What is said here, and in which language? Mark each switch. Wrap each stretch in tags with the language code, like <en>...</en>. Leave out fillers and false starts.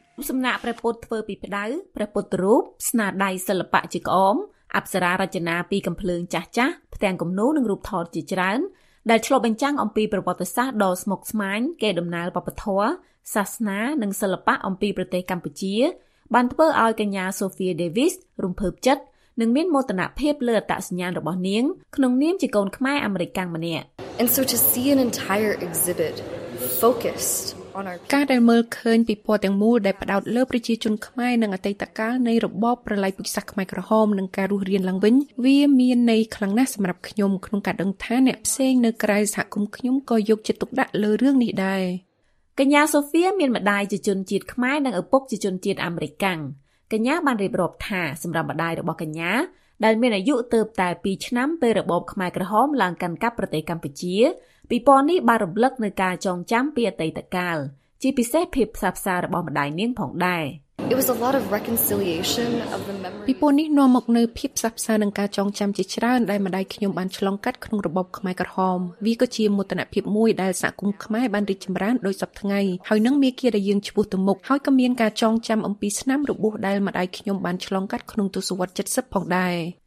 <km>សំណាក់ព្រះពុទ្ធធ្វើពីផ្ដៅព្រះពុទ្ធរូបស្នាដៃសិល្បៈជាក្អមអប្សរារចនាពីកំភ្លើងចាស់ចាស់ផ្ទាំងគំនូរនិងរូបថតជាច្រើនដែលឆ្លុះបញ្ចាំងអំពីប្រវត្តិសាស្ត្រដ៏ស្មុគស្មាញកេរដំណែលវប្បធម៌សាសនានិងសិល្បៈអំពីប្រទេសកម្ពុជាបានធ្វើឲ្យកញ្ញា Sophia Davis រំភើបចិត្តនឹងមានមោទនភាពលើអត្តសញ្ញាណរបស់នាងក្នុងនាមជាកូនខ្មែរអាមេរិកកាំងម្នាក់</km> <en>And so to see an entire exhibit focused on our</en> <km>ការដែលមើលឃើញពីពណ៌ទាំងមូលដែលផ្ដោតលើប្រជាជនខ្មែរនិងអតីតកាលនៃរបបប្រល័យពូជសាសន៍ខ្មែរក្រហមនិងការរស់រានឡើងវិញវាមានន័យខ្លាំងណាស់សម្រាប់ខ្ញុំក្នុងការដឹងថាអ្នកផ្សេងនៅក្រៅសហគមន៍ខ្ញុំក៏យកចិត្តទុកដាក់លើរឿងនេះដែរ កញ្ញា Sophia មានម្ដាយជាជនជាតិខ្មែរនិងឪពុកជាជនជាតិអាមេរិកកាំងកញ្ញាបានរៀបរាប់ថាសម្រាប់ម្ដាយរបស់កញ្ញាដែលមានអាយុទើបតែ2ឆ្នាំពេលរបបខ្មែរក្រហមឡើងកាន់កាប់ប្រទេសកម្ពុជាពីពណ៌នេះបានរំលឹកនឹងការចងចាំពីអតីតកាលជាពិសេសភាពផ្សះផ្សារបស់ម្ដាយនាងផងដែរ</km> <en>It was a lot of reconciliation of the memory.</en> <km>ពីពណ៌នេះនាំមកនៅភាពផ្សះផ្សានឹងការចងចាំជាច្រើនដែលម្ដាយខ្ញុំបានឆ្លងកាត់ក្នុងរបបខ្មែរក្រហមវាក៏ជាមោទនភាពមួយដែលសហគមន៍ខ្មែរបានរីកចម្រើនដោយសពថ្ងៃហើយនឹងមានគៀរយើងឈ្មោះទៅមុខហើយក៏មានការចងចាំអំពីឆ្នាំរបួសដែលម្ដាយខ្ញុំបានឆ្លងកាត់ក្នុងទសវត្សរ៍70ផងដែរ</km>